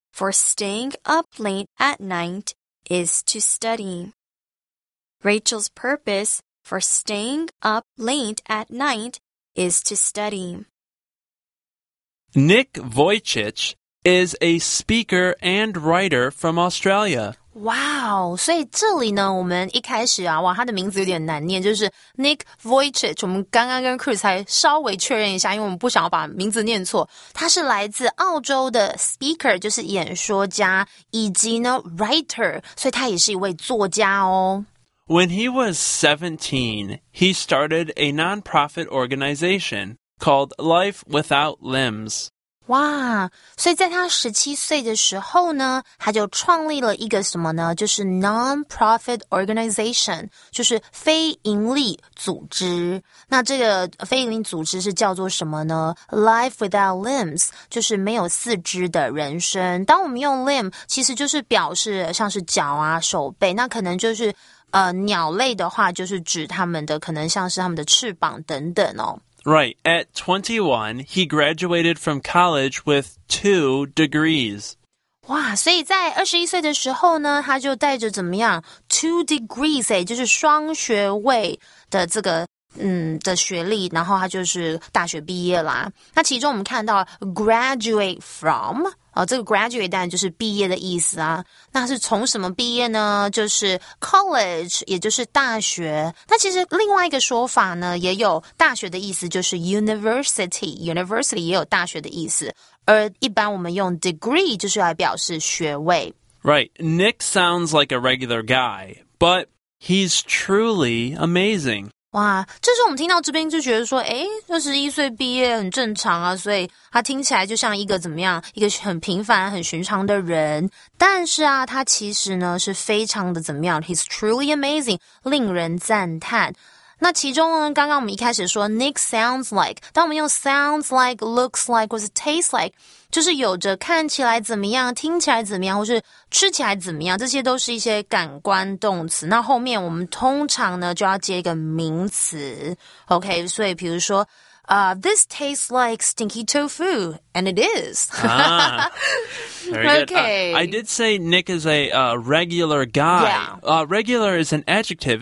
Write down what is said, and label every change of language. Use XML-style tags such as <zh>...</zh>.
<en>For staying up late at night is to study. Rachel's purpose for staying up late at night is to study. Nick Vujicic is a speaker and writer from Australia.</en> <zh>Wow, 所以这里呢我们一开始啊哇他的名字有点难念就是 Nick Vujicic, 我们刚刚跟 Chris 才稍微确认一下因为我们不想要把名字念错他是来自澳洲的 speaker, 就是演说家以及呢 writer, 所以他也是一位作家哦。</zh> <en>When he was 17, he started a non-profit organization called Life Without Limbs.</en> <zh>哇所以在他17岁的时候呢他就创立了一个什么呢就是 non-profit organization, 就是非盈利组织。那这个非盈利组织是叫做什么呢 ?Life without limbs, 就是没有四肢的人生。当我们用 limb, 其实就是表示像是脚啊手背那可能就是鸟类的话就是指他们的可能像是他们的翅膀等等哦。</zh> <en>Right, at 21, he graduated from college with 2 degrees.</en> <zh>哇，所以在21岁的时候呢，他就带着怎么样 2 degrees 就是双学位的这个的学历，然后他就是大学毕业啦。那其中我们看到 graduate from 这个 graduate 当然就是毕业的意思啊。那是从什么毕业呢？就是 college， 也就是大学。那其实另外一个说法呢，也有大学的意思，就是 university 也有大学的意思。而一般我们用 degree 就是来表示学位。</zh> <en>Right, Nick sounds like a regular guy, but he's truly amazing.</en> <zh>哇，这时候我们听到这边就觉得说，诶，21岁毕业很正常啊，所以他听起来就像一个怎么样，一个很平凡很寻常的人。但是啊，他其实呢是非常的怎么样，</zh> <en>He's truly amazing，</en> <zh>令人赞叹。那其中呢，刚刚我们一开始说 Nick sounds like， 当我们用 sounds like， looks like， 或是 tastes like， 就是有着看起来怎么样，听起来怎么样，或是吃起来怎么样，这些都是一些感官动词。那后面我们通常呢就要接一个名词， OK， 所以比如说</zh> <en>this tastes like stinky tofu， and it is. Very good. Okay. I did say Nick is a regular guy. Yeah. Regular is an adjective.</en>